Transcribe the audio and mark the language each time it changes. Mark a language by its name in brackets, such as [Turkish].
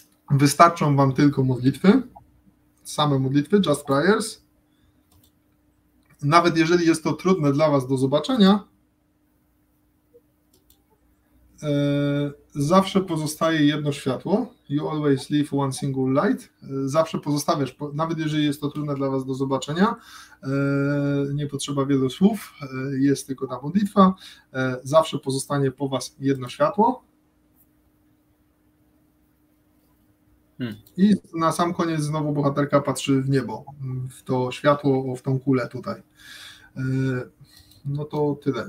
[Polish] Wystarczą wam tylko modlitwy. Same modlitwy, [English] just prayers. [Polish] Nawet jeżeli jest to trudne dla was do zobaczenia, zawsze pozostaje jedno światło. [English] You always leave one single light. [Polish] Zawsze pozostawiasz, nawet jeżeli jest to trudne dla was do zobaczenia, nie potrzeba wielu słów, jest tylko ta modlitwa. Zawsze pozostanie po was jedno światło. I na sam koniec znowu bohaterka patrzy w niebo, w to światło, w tą kulę tutaj. No to tyle.